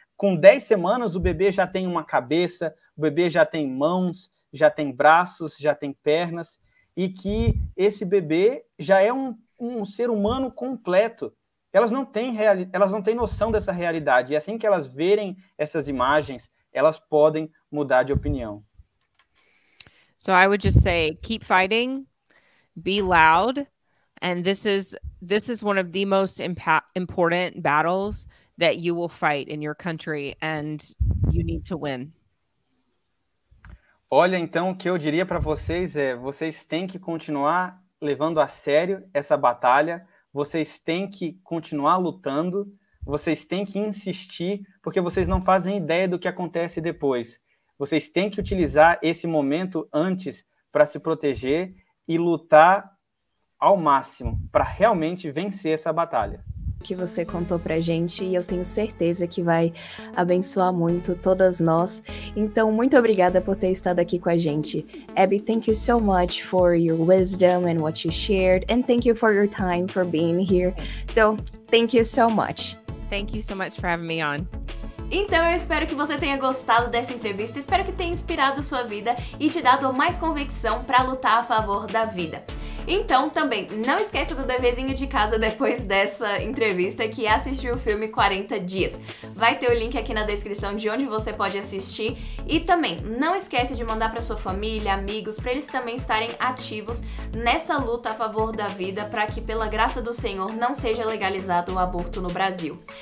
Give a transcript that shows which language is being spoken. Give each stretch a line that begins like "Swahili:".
Portuguese: com 10 semanas o bebê já tem uma cabeça, o bebê já tem mãos, já tem braços, já tem pernas, e que esse bebê já é um ser humano completo. Elas não têm noção dessa realidade, e assim que elas verem essas imagens, elas podem mudar de opinião.
English: So I would just say, keep fighting, be loud, and this is one of the most important battles that you will fight in your country, and you need to win.
Portuguese: Olha, então, o que eu diria para vocês é, vocês têm que continuar levando a sério essa batalha, vocês têm que continuar lutando, vocês têm que insistir, porque vocês não fazem ideia do que acontece depois. Vocês têm que utilizar esse momento antes para se proteger e lutar ao máximo para realmente vencer essa batalha. Que você contou pra gente, e eu tenho certeza que vai abençoar muito todas nós. Então, muito obrigada por ter estado aqui com a gente.
English: Abby, thank you so much for your wisdom and what you shared, and thank you for your time for being here. So, thank you so much. Thank you so much for having me on.
Portuguese: Então, eu espero que você tenha gostado dessa entrevista, espero que tenha inspirado sua vida e te dado mais convicção para lutar a favor da vida. Então, também, não esqueça do deverzinho de casa depois dessa entrevista, que é assistir o filme 40 Dias. Vai ter o link aqui na descrição de onde você pode assistir. E também, não esquece de mandar para sua família, amigos, para eles também estarem ativos nessa luta a favor da vida, para que, pela graça do Senhor, não seja legalizado o aborto no Brasil.